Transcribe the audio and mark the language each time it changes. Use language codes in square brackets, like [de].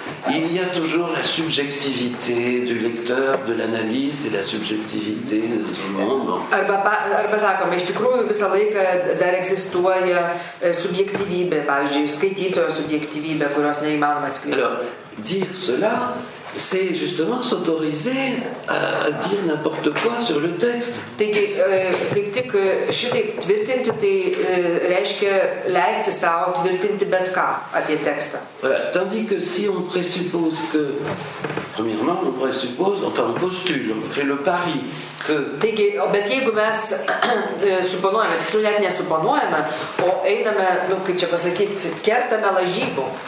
[fr] Il y a toujours la subjectivité du lecteur, de l'analyste et la subjectivité du monde. [lt] Arba sakome, iš tikrųjų visą laiką dar egzistuoja subjektyvybė, pavyzdžiui, skaitytojo subjektyvybė, kurios neįmanoma atskleisti. [fr] Alors, dire cela, c'est justement s'autoriser à dire n'importe quoi sur le texte. [lt] Taigi, kaip tik šitai tvirtinti, tai reiškia leisti savo tvirtinti bet ką apie tekstą. [fr] Voilà. Tandis que si on présuppose que, premièrement, on présuppose, enfin on postule, on fait le pari que... [lt] Taigi, bet jeigu mes suponuojame, tiksliau net nesuponuojame, o einame, nu, kaip čia pasakyti, kertame lažybų.